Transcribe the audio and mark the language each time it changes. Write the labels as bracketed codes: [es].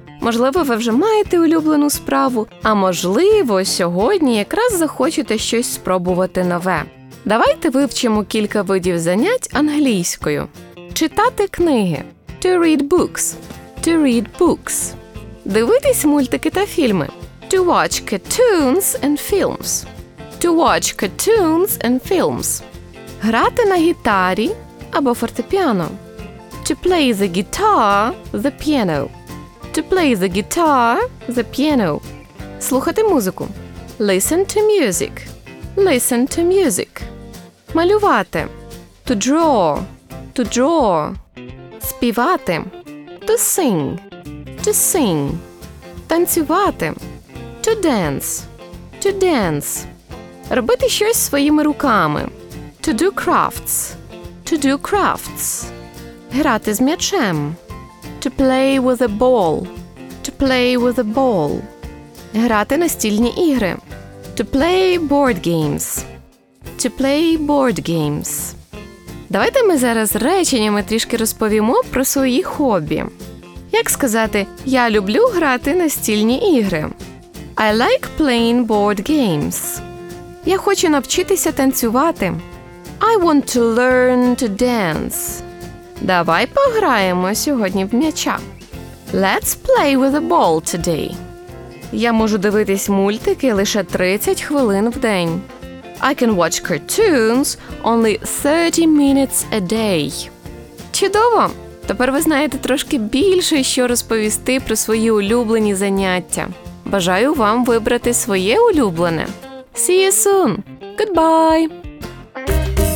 [uk] Можливо, ви вже маєте улюблену справу, а можливо, сьогодні якраз захочете щось спробувати нове. Давайте вивчимо кілька видів занять англійською. Читати книги. [en] To read books. To read books. [uk] Дивитись мультики та фільми. [en] To watch cartoons and films. To watch cartoons and films. [uk] Грати на гітарі або фортепіано. [en] To play the guitar, the piano. To play the guitar, the piano. [uk] Слухати музику. [en] Listen to music. Listen to music. [uk] Малювати. [en] To draw. To draw. [uk] Співати. [en] To sing. To sing. [uk] Танцювати. [en] To dance. To dance. [uk] Робити щось своїми руками. [en] To do crafts. To do crafts. [uk] Грати з м'ячем. [en] To play with a ball. To play with a ball. [uk] Грати настільні ігри. [en] To play board games. To play board games. [uk] Давайте ми зараз реченнями трішки розповімо про свої хобі. Як сказати: «Я люблю грати настільні ігри»? [en] I like playing board games. [uk] Я хочу навчитися танцювати. [en] I want to learn to dance. [uk] Давай пограємо сьогодні в м'яча. [en] Let's play with a ball today. [uk] Я можу дивитись мультики лише 30 хвилин в день. [en] I can watch cartoons only 30 minutes a day. [uk] Чудово! Тепер ви знаєте трошки більше, що розповісти про свої улюблені заняття. Бажаю вам вибрати своє улюблене. [en] See you soon! Goodbye!